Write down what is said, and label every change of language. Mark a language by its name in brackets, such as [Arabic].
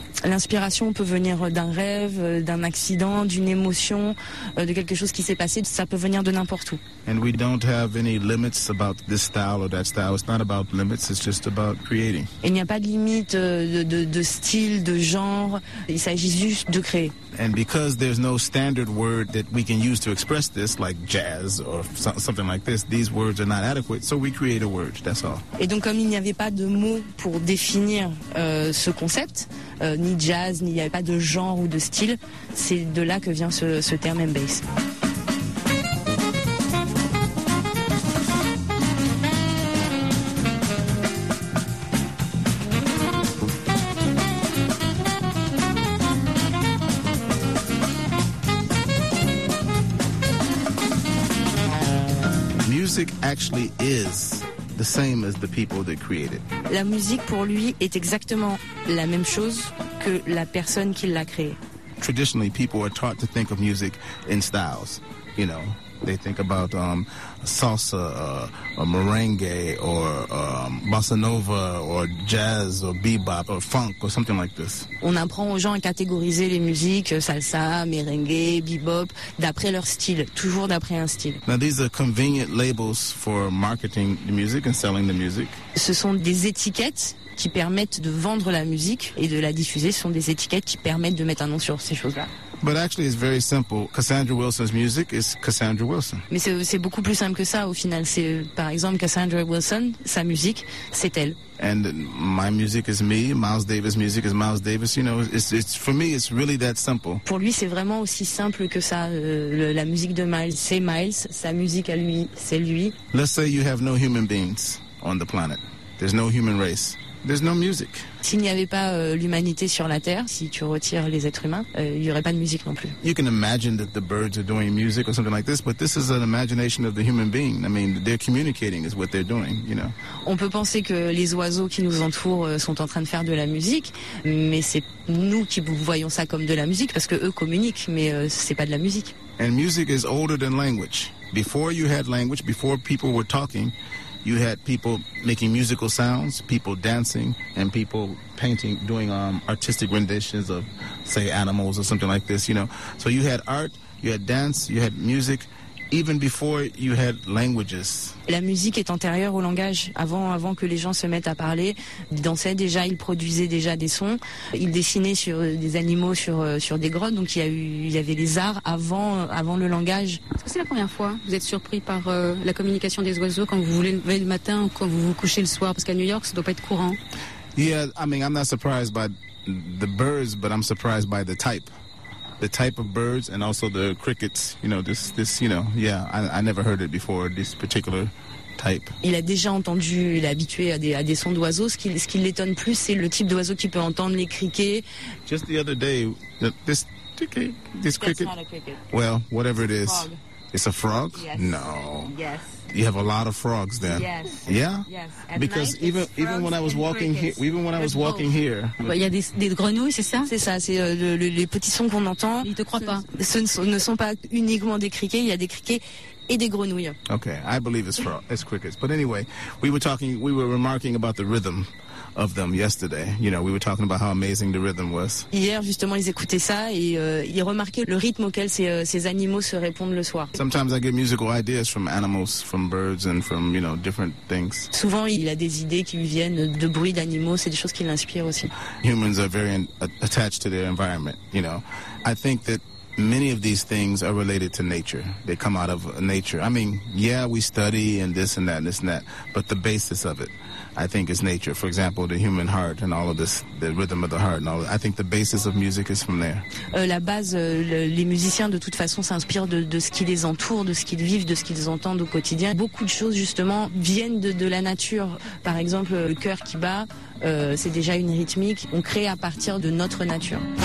[French] L'inspiration peut venir d'un rêve, d'un accident, d'une émotion, de quelque chose qui s'est passé. Ça peut venir de n'importe où. [English] And we don't have any limits about this style or that style. It's not about limits, it's just about creating. [French] Il n'y a pas de limite de style, de genre. Il s'agit juste de créer. [English] And because there's no standard word that we can use to express this, like jazz or something like this, these words are not adequate, so we create a word, that's all. [French] Et donc comme il n'y avait pas de mots pour définir ce concept, ni jazz, ni il n'y avait pas de genre ou de style, c'est de là que vient ce terme M-Bass. [English] music actually is the same as the people that created. [French] La musique pour lui est exactement la même chose que la personne qui l'a créée. [English] Traditionally, people are taught to think of music in styles, you know. They think about salsa, or merengue, or bossa nova, or jazz, or bebop, or funk, or something like this. [French] On apprend aux gens à catégoriser les musiques, salsa, merengue, bebop, d'après leur style, toujours d'après un style. [English] Now these are convenient labels for marketing the music and selling the music. [French] Ce sont des étiquettes qui permettent de vendre la musique et de la diffuser. Ce sont des étiquettes qui permettent de mettre un nom sur ces choses-là. [English] But actually, it's very simple. Cassandra Wilson's music is Cassandra Wilson. [French] Mais c'est beaucoup plus simple que ça. Au final, c'est par exemple Cassandra Wilson, sa musique, c'est elle. [English] And my music is me. Miles Davis' music is Miles Davis. You know, it's for me, it's really that simple. [French] Pour lui, c'est vraiment aussi simple que ça. La musique de Miles, c'est Miles. Sa musique à lui, c'est lui. [English] Let's say you have no human beings on the planet. There's no human race. There's no music. [French] S'il n'y avait pas l'humanité sur la Terre, si tu retires les êtres humains, il n'y aurait pas de musique non plus. [English] You can imagine that the birds are doing music or something like this, but this is an imagination of the human being. I mean, they're communicating is what they're doing, you know. [French] On peut penser que les oiseaux qui nous entourent sont en train de faire de la musique, mais c'est nous qui voyons ça comme de la musique parce que eux communiquent, mais c'est pas de la musique. [English] And music is older than language. Before you had language, before people were talking, you had people making musical sounds, people dancing, and people painting, doing artistic renditions of, say, animals or something like this, you know. So you had art, you had dance, you had music, even before you had languages. [French] La musique est antérieure au langage. Avant que les gens se mettent à parler, ils dansaient déjà, ils produisaient déjà des sons, ils dessinaient sur des animaux, sur des grottes. Donc il y avait les arts avant le langage. Est-ce que c'est la première fois que vous êtes surpris par la communication des oiseaux quand vous vous levez le matin ou quand vous vous couchez le soir? Parce qu'à New York, ça ne doit pas être courant. [English] Yeah, I mean, I'm not surprised by the birds, but I'm surprised by the type. The type of birds and also the crickets, you know, this, you know, yeah, I never heard it before, this particular type. [French] Il a déjà entendu, il est habitué à des sons d'oiseaux. Ce qui l'étonne plus, c'est le type d'oiseau qui peut entendre les criquets. [English] Just the other day, this cricket. That's not a cricket. Well, whatever it is. Frog. It's a frog? Yes. No. Yes. You have a lot of frogs then. Yes. Yeah? Yes. Because night, even when I was walking here, [French] Il y a des grenouilles, c'est ça? C'est ça, c'est les petits sons qu'on entend. Ils te croient pas. Ce ne sont pas uniquement des criquets, il y a des criquets et des grenouilles. [English] Okay, I believe it's frogs, it's crickets. But anyway, we were remarking about the rhythm of them yesterday. You know, we were talking about how amazing the rhythm was. [French] Hier, justement, ils écoutaient ça et ils remarquaient le rythme auquel ces animaux se répondent le soir. [English] Sometimes I get musical ideas from animals, from birds and from, you know, different things. [French] Souvent, il a des idées qui lui viennent de bruits d'animaux, c'est des choses qui l'inspirent aussi. [English] Humans are very attached to their environment, you know. I think that many of these things are related to nature. They come out of nature. I mean, yeah, we study and this and that and this and that, but the basis of it, I think, is nature. For example, the human heart and all of this, the rhythm of the heart and all that. I think the basis of music is from there. [French] La base, les musiciens, de toute façon, s'inspirent de ce qui les entoure, de ce qu'ils vivent, de ce qu'ils entendent au quotidien. Beaucoup de choses, justement, viennent de la nature. Par exemple, le cœur qui bat, c'est déjà une rythmique. On crée à partir de notre nature.